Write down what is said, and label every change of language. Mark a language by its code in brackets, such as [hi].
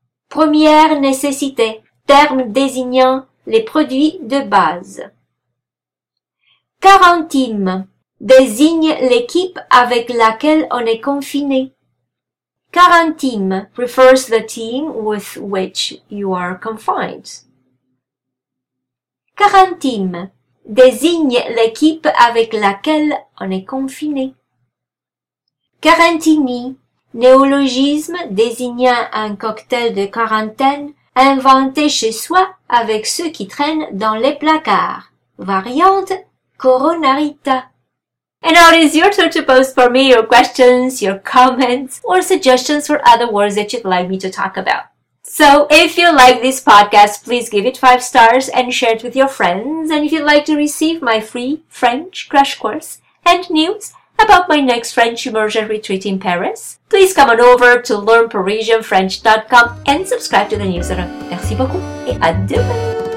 [fr] Première nécessité. Terme désignant les produits de base. Quarantième. Désigne l'équipe avec laquelle on est confiné. [en] Quarantième refers to the team with which you are confined. [fr] Quarantième désigne l'équipe avec laquelle on est confiné. Quarantini, néologisme désignant un cocktail de quarantaine inventé chez soi avec ceux qui traînent dans les placards. Variante coronarita. [en] And now it is your turn to post for me your questions, your comments, or suggestions for other words that you'd like me to talk about. So if you like this podcast, please give it 5 stars and share it with your friends. And if you'd like to receive my free French crash course and news about my next French immersion retreat in Paris, please come on over to learnparisianfrench.com and subscribe to the newsletter. [fr] Merci beaucoup et à demain!